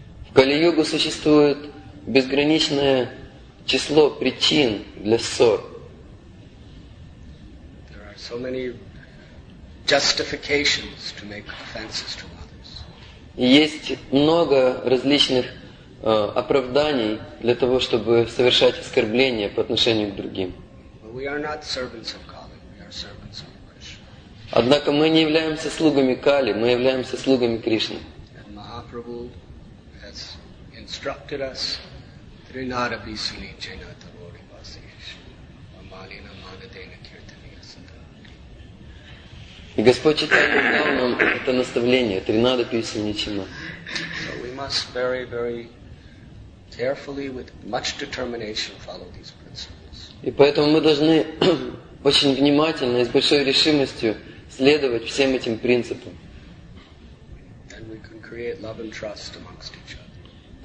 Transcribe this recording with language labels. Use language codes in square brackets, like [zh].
[ru] В Кали-Югу существует безграничное число причин для ссор. [en] There are so many justifications to make offenses to others. [ru] Есть много различных оправданий для того, чтобы совершать оскорбления по отношению к другим. [en] But we are not servants of Kali, we are servants of Krishna. [ru] Однако мы не являемся слугами Кали, мы являемся слугами Кришны. [en] Mahaprabhu has instructed us Trinada Bisuni Chenata Vodi Vasishu Amalina Manadena Kirtaniya Sadhani. [ru] И Господь Читания дал нам это наставление Тринада Бисуни Чина. [en] So we must very, very carefully, with much determination, follow these principles. [ru] И поэтому мы должны очень внимательно и с большой решимостью следовать всем этим принципам. [en] And we can create love and trust amongst each other.